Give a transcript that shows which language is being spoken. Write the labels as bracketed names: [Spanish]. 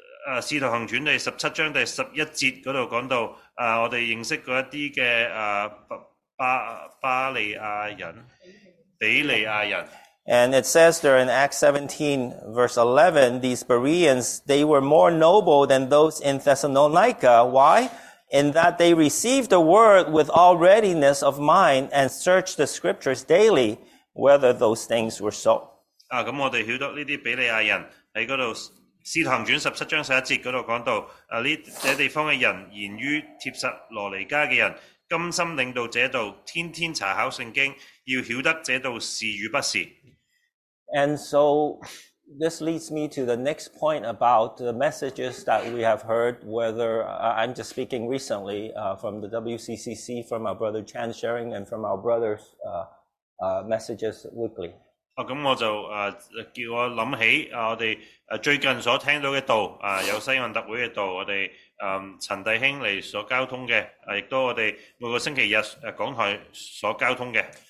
[Cantonese] 《使徒行傳》第十七章第十一節嗰度講到，我哋認識嗰一啲嘅巴利亞人、比利亞人。 [English] And it says there in Acts 17 verse 11, these Bereans, they were more noble than those in Thessalonica. Why? In that they received the word with all readiness of mind and searched the scriptures daily whether those things were so. [Cantonese] 咁我哋曉得呢啲比利亞人喺嗰度。使徒行傳十七章十一節嗰度講到，呢這地方嘅人言於帖撒羅尼加嘅人，甘心領導這道，天天查考聖經，要曉得這道是與不是。 [English] And so this leads me to the next point about the messages that we have heard. Whether I'm just speaking recently from the WCCC, from our brother Chan sharing, and from our brothers' messages weekly. [Cantonese] 咁我就叫我諗起我哋最近所聽到嘅道有西岸特會嘅道，我哋陳弟兄嚟所交通嘅，亦都我哋每個星期日講台所交通嘅。